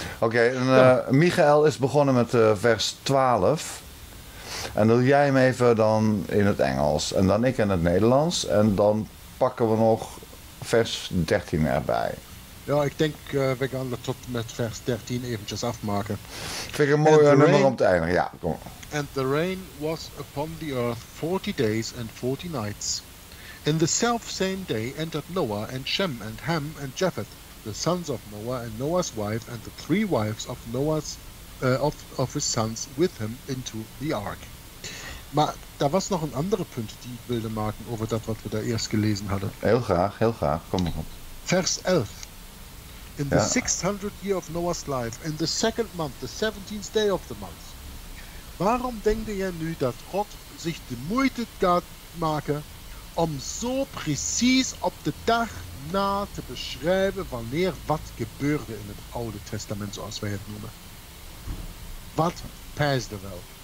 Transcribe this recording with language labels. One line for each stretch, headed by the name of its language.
Dutch: Okay. Okay, Michael is begonnen met vers 12. En doe jij hem even dan in het Engels. En dan ik in het Nederlands. En dan pakken we nog vers 13 erbij. Ja, ik denk we gaan het tot met vers 13 eventjes afmaken. Ik vind het een mooie nummer om te eindigen. Ja, kom.
English: And the rain was upon the earth 40 days and 40 nights. In the self same day entered Noah and Shem and Ham and Japheth, the sons of Noah and Noah's wife and the three wives of Noah's of his sons with him into the ark.
Dutch: Maar daar was nog een andere punt die ik wilde maken over dat wat we daar eerst gelezen hadden. Heel graag, kom maar op. Vers 11.
English: in the 600th year of Noah's life, in the second month, the 17th day of the month.
Dutch: Waarom denkt je nu dat God zich de moeite gaat maken om zo precies op de dag na te beschrijven wanneer wat gebeurde in het Oude Testament, zoals wij het noemen? Wat pijst er wel?